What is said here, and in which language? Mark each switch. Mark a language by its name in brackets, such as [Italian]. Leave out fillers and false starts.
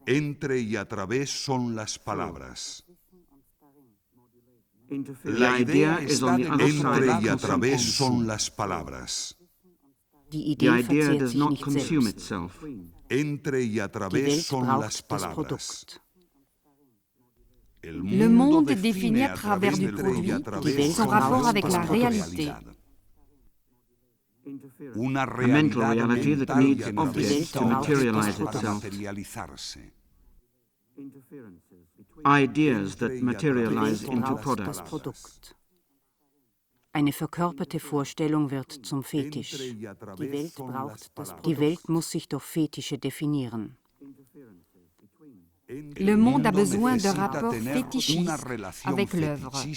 [Spanish] Entre y a través son las palabras. La idea es [English] on the other [Spanish] entre [English] side. [Spanish] Entre y a través son las palabras. [English] The idea does not consume [German] selbst. [English] Itself. [Spanish] Entre y a través son las palabras. [French] Le monde est défini à travers du produit, son rapport avec la réalité. [Spanish] Una [English] mental reality that needs objects to materialize itself. Ideas that materialize into products. [German] Eine verkörperte Vorstellung wird zum Fetisch. Die Welt braucht das die Welt muss sich durch Fetische definieren. [French] Le monde a besoin de rapport fétichiste avec l'œuvre.